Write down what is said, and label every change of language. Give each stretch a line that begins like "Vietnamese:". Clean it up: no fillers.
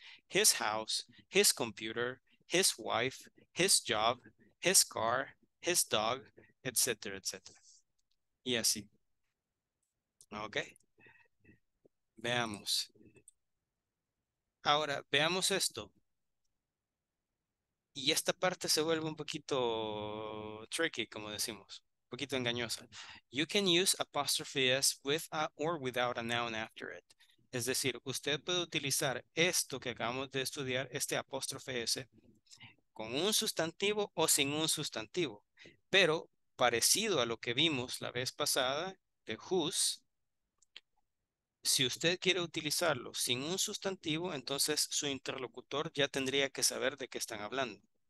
English: His house, his computer, his wife, his job, his car, his dog, etc., etc.
Spanish: Y así. ¿Ok? Veamos. Ahora, veamos esto. Y esta parte se vuelve un poquito tricky, como decimos. Un poquito engañosa.
English: You can use apostrophe s with a, or without a noun after it.
Spanish: Es decir, usted puede utilizar esto que acabamos de estudiar, este apóstrofe s, con un sustantivo o sin un sustantivo. Pero, parecido a lo que vimos la vez pasada, de whose, si usted quiere utilizarlo sin un sustantivo, entonces su interlocutor ya tendría que saber de qué están hablando.